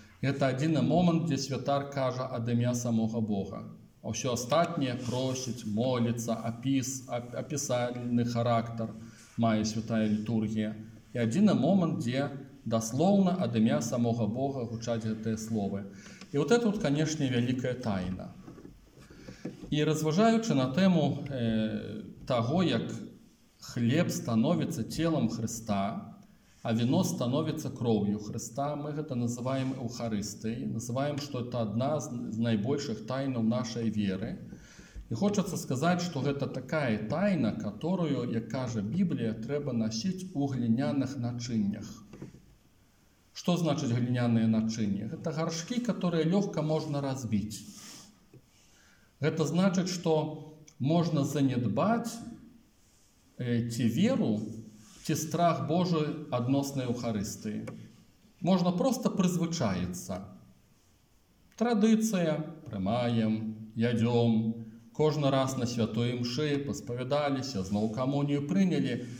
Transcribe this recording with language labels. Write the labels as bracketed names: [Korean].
[Belarusian] Гэта адзіны момант, дзе святар кажа ад імя самога Бога. А ўсё астатняе просіць, моліцца, апісальны характар мае святая літургія. І адзіны момант, дзе даслоўна ад імя самога Бога гучаць гэтыя словы. І [Russian] вот это, [Belarusian] канешне, вялікая тайна. І разважаючы на тэму таго, як хлеб становіцца целам Христа, а віно становіцца кроўю Христа, мы гэта называем Эўхарыстыяй, называем, што это адна з найбольшых тайнаў нашай веры. І хочацца сказаць, што гэта такая тайна, каторую, як кажа Біблія, трэба насіць у гліняных начыннях. Што значыць гліняныя начынні? Гэта гаршкі, каторыя лёгка можна разбіць. Гэта значыць, што можна занедбаць [Ukrainian] чи віру, чи страх Божий відносно Євхаристії. Можна просто призвичаїтися. Традиція, приймаємо, йдемо. Кожен раз на святої мші посповідалися, знову комунію прийняли.